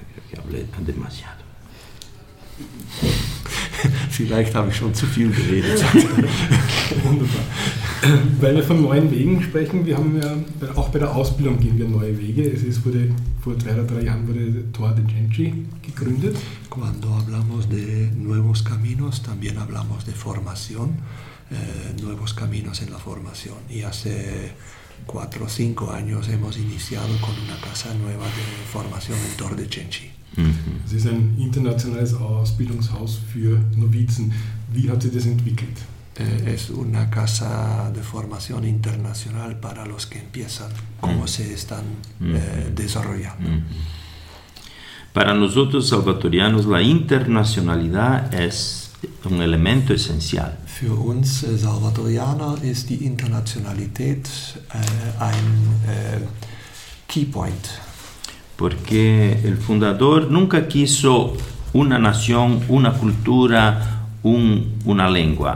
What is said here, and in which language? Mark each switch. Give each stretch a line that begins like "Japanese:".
German: Ich
Spanish: hablé demasiado.
German: Vielleicht habe ich schon zu viel geredet. Wunderbar. Weil wir von neuen Wegen sprechen, wir haben ja, auch bei der Ausbildung gehen wir neue Wege. Vor 2 oder 3 Jahren wurde Tor de Genji gegründet.
Spanish: Cuando hablamos de nuevos caminos, también hablamos de formación. Nuevos caminos en la formación. Y hace 4 o 5 años hemos iniciado con una casa nueva de formación en Tor de Genji.
German: Es ist ein internationales Ausbildungshaus für Novizen. Wie hat sich das entwickelt?
Spanish: Es una casa de formación internacional para los que empiezan, cómo se están desarrollando. Para nosotros salvatorianos la internacionalidad es un elemento esencial.
German: Für uns Salvadorianer ist die Internationalität ein
English: key point.
Spanish: Porque el fundador nunca quiso una nación, una cultura, una lengua.